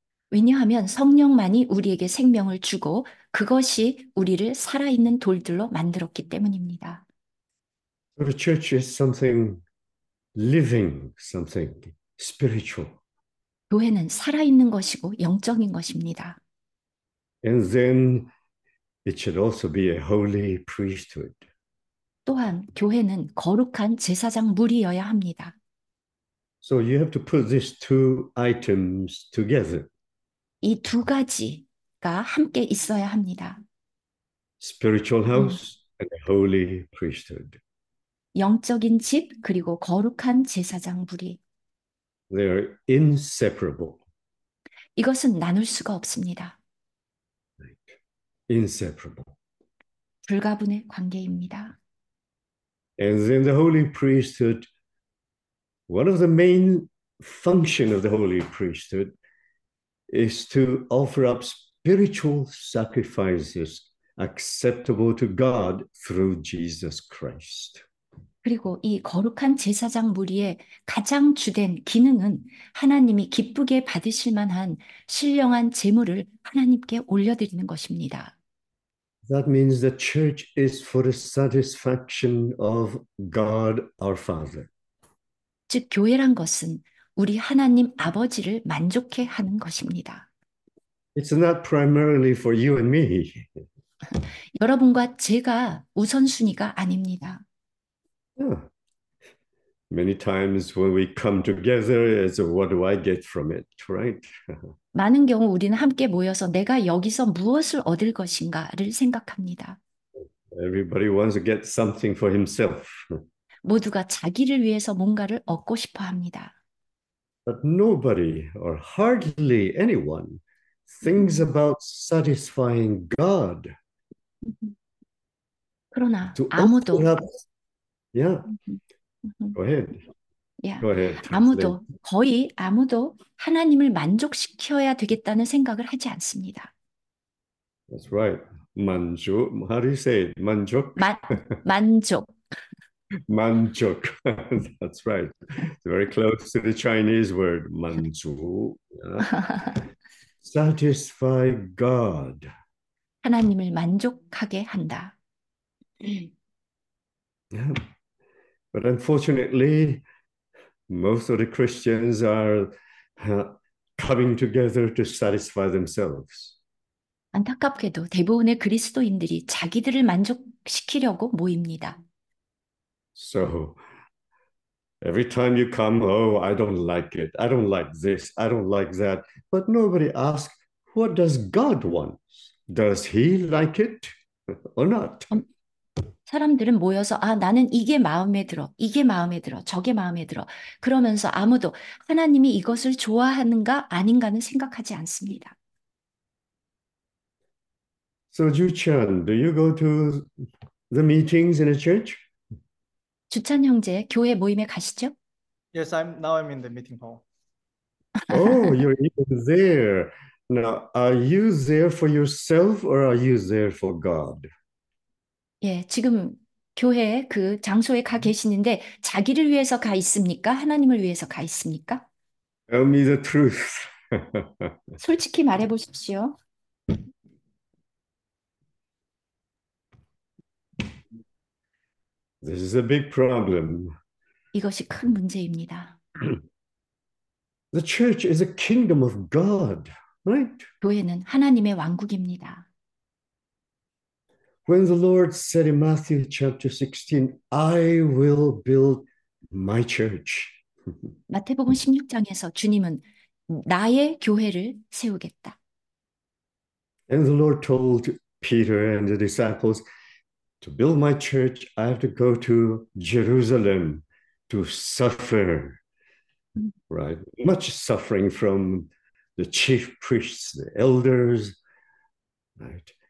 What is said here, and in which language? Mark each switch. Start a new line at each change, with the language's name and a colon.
Korean: 왜냐하면 성령만이 우리에게 생명을 주고 그것이 우리를 살아있는 돌들로 만들었기 때문입니다.
English: The church is something living, something spiritual.
Korean: 교회는 살아있는 것이고 영적인 것입니다.
English: And then it should also be a holy priesthood.
Korean: 또한 교회는 거룩한 제사장물이어야 합니다.
English: So you have to put these two items together.
Korean: 이두 가지가 함께 있어야 합니다.
English: Spiritual house and a holy priesthood.
Korean: 영적인 집, 그리고 거룩한 제사장부리.
English: They are inseparable.
Korean: 이것은 나눌 수가 없습니다.
English: Inseparable.
Korean: 불가분의 관계입니다.
English: And then the Holy Priesthood, one of the main functions of the Holy Priesthood is to offer up spiritual sacrifices acceptable to God through Jesus Christ.
Korean: 그리고 이 거룩한 제사장 무리의 가장 주된 기능은 하나님이 기쁘게 받으실 만한 신령한 제물을 하나님께 올려드리는 것입니다.
English: That means the church is for the satisfaction of God our Father.
Korean: 즉, 교회란 것은 우리 하나님 아버지를 만족해 하는 것입니다.
English: It's not primarily for you and me.
Korean: 여러분과 제가 우선순위가 아닙니다.
English: Many times when we come together, it's what do I get from it, right?
Korean: 많은 경우 우리는 함께 모여서 내가 여기서 무엇을 얻을 것인가를 생각합니다.
English: Everybody wants to get something for himself.
Korean: 모두가 자기를 위해서 뭔가를 얻고 싶어 합니다.
English: But nobody, or hardly anyone, thinks about satisfying God.
Korean: 그러나
English: To offer
Korean: 아무도,
English: up, yeah. Go ahead. yeah, Go ahead, translate.
Korean: 아무도, 거의 아무도 하나님을 만족시켜야 되겠다는 생각을 하지 않습니다.
English: That's right. 만족. How do you say it? 만족?
Korean: 만족.
English: 만족. That's right. It's very close to the Chinese word 만주. Yeah. Satisfy God.
Korean: 하나님을 만족하게 한다.
English: Yeah. But unfortunately, most of the Christians are coming together to satisfy themselves.
Korean: 안타깝게도 대부분의 그리스도인들이 자기들을 만족시키려고 모입니다.
English: So every time you come, oh, I don't like it. I don't like this. I don't like that. But nobody asks, what does God want? Does he like it or not?
Korean: 사람들은 모여서 아, 나는 이게 마음에 들어, 이게 마음에 들어, 저게 마음에 들어. 그러면서 아무도 하나님이 이것을 좋아하는가 아닌가는 생각하지 않습니다.
English: So, Ju Chan, do you go to the meetings in a church?
Korean: 주찬 형제, 교회 모임에 가시죠?
English: Yes, now I'm in the meeting hall. Oh, you're even there. Now, are you there for yourself or are you there for God?
Korean: 예, 지금 교회 그 장소에 가 계시는데 자기를 위해서 가 있습니까? 하나님을 위해서 가 있습니까?
English: Tell me the truth.
Korean: 솔직히 말해 보십시오.
English: This is a big problem.
Korean: 이것이 큰 문제입니다.
English: The church is a kingdom of God, right?
Korean: 교회는 하나님의 왕국입니다.
English: When the Lord said in Matthew chapter 16, I will build my church.
Korean: 마태복음 16장에서 주님은 나의 교회를 세우겠다.
English: And the Lord told Peter and the disciples, to build my church, I have to go to Jerusalem to suffer, right? Much suffering from the chief priests, the elders, right?